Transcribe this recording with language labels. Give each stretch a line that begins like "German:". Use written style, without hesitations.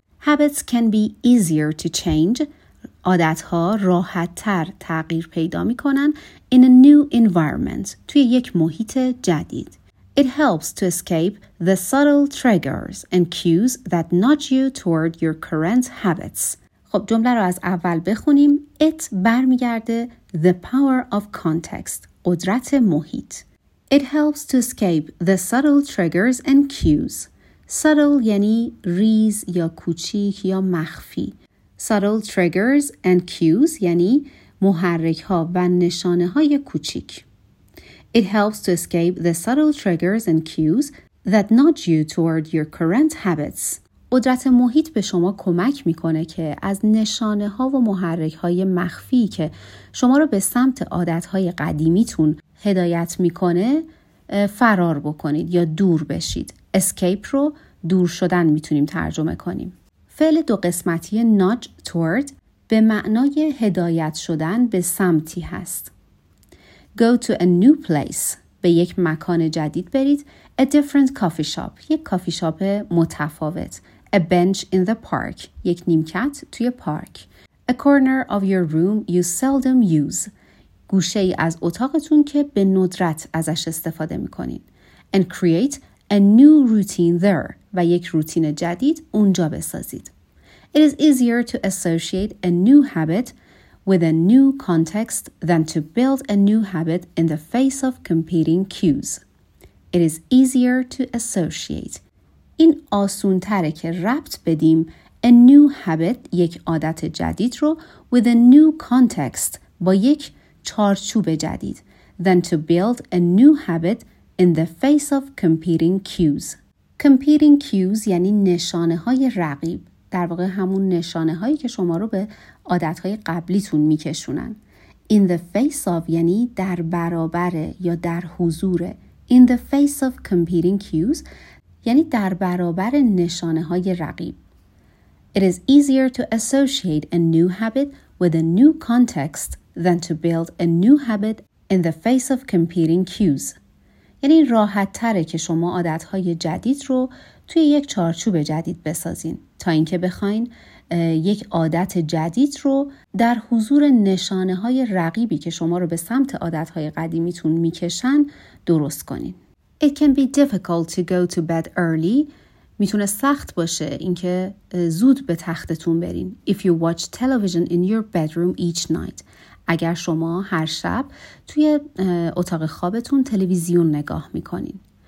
English: Habits can be easier to change,
Persian: عادتها راحت تر تغییر پیدا میکنن,
English: in a new environment,
Persian: توی یک محیط جدید.
English: It helps to escape the subtle triggers and cues that nudge you toward your current habits.
Persian: خب جمله رو از اول بخونیم.
English: It
Persian: برمیگرده
English: the power of context,
Persian: قدرت محیط.
English: It helps to escape the subtle triggers and cues.
Persian: Subtle یعنی ریز یا کوچیک یا مخفی.
English: Subtle triggers and cues
Persian: یعنی محرک ها و نشانه های کوچیک.
English: It helps to escape the subtle triggers and cues that nudge you toward your current habits.
Persian: قدرت محیط به شما کمک میکنه که از نشانه ها و محرک های مخفی که شما رو به سمت عادت های قدیمیتون هدایت میکنه فرار بکنید یا دور بشید. اسکیپ رو دور شدن میتونیم ترجمه کنیم. فعل دو قسمتی
English: nudge toward
Persian: به معنای هدایت شدن به سمتی هست.
English: Go to a new place,
Persian: به یک مکان جدید برید.
English: A different coffee shop,
Persian: یک کافی شاپ متفاوت.
English: A bench in the park,
Persian: یک نیمکت توی پارک.
English: A corner of your room you seldom use,
Persian: گوشه ای از اتاقتون که به ندرت ازش استفاده میکنین.
English: And create a new routine there,
Persian: و یک روتین جدید اونجا بسازید.
English: It is easier to associate a new habit with a new context than to build a new habit in the face of competing cues. It is easier to associate.
Persian: این آسون تره که ربط بدیم
English: a new habit,
Persian: یک عادت جدید رو,
English: with a new context,
Persian: با یک چارچوب جدید,
English: than to build a new habit in the face of competing cues. Competing cues
Persian: یعنی نشانه های رقیب. در واقع همون نشانه هایی که شما رو به عادتهای قبلیتون می کشونن.
English: In the face of
Persian: یعنی در برابر یا در حضور.
English: In the face of competing cues
Persian: یعنی در برابر نشانه های رقیب.
English: It is easier to associate a new habit with a new context than to build a new habit in the face of competing cues.
Persian: یعنی راحت تره که شما عادتهای جدید رو توی یک چارچوب جدید بسازین تا اینکه بخواین یک عادت جدید رو در حضور نشانه های رقیبی که شما رو به سمت عادت های قدیمیتون میکشن درست کنین.
English: It can be difficult to go to bed early.
Persian: میتونه سخت باشه اینکه زود به تختتون برین.
English: If you watch television in your bedroom each night.
Persian: اگر شما هر شب توی اتاق خوابتون تلویزیون نگاه میکنین.